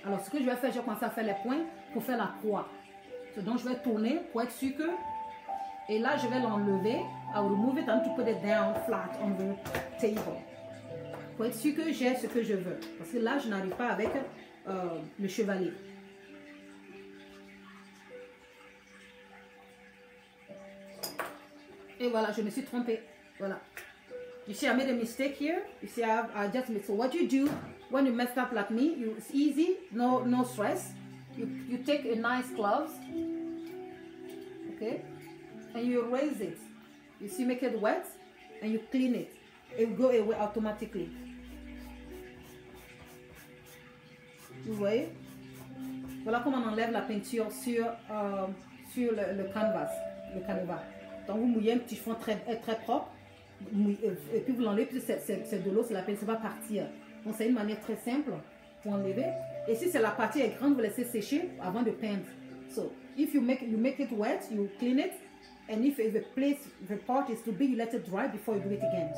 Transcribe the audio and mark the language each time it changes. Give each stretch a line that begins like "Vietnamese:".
French: Alors ce que je vais faire, je vais commencer à faire les points pour faire la croix. So, donc je vais tourner pour être sûr que. Et là je vais l'enlever.
English: I will remove it and to put it down flat on the table.
French: Pour être sûr que j'ai ce que je veux. Parce que là, je n'arrive pas avec le chevalet. Et voilà, je me suis trompée. Voilà.
English: You see, I made a mistake here. You see, I just made. So what you do when you messed up like me, it's easy, no stress. You take a nice gloves. Okay. And you raise it. You see, make it wet. And you clean it. It will go away automatically.
French: Vous voyez? Voilà comment on enlève la peinture sur, sur le canvas, le canevas. Donc vous mouillez un petit fond très, très propre. Et puis vous l'enlevez, puis c'est de l'eau, c'est la peinture va partir. Donc c'est une manière très simple pour enlever. Et si c'est la partie est grande, vous laissez sécher avant de peindre. So, if you make it wet, you clean it. And if the place, the part is too big, you let it dry before you do it again.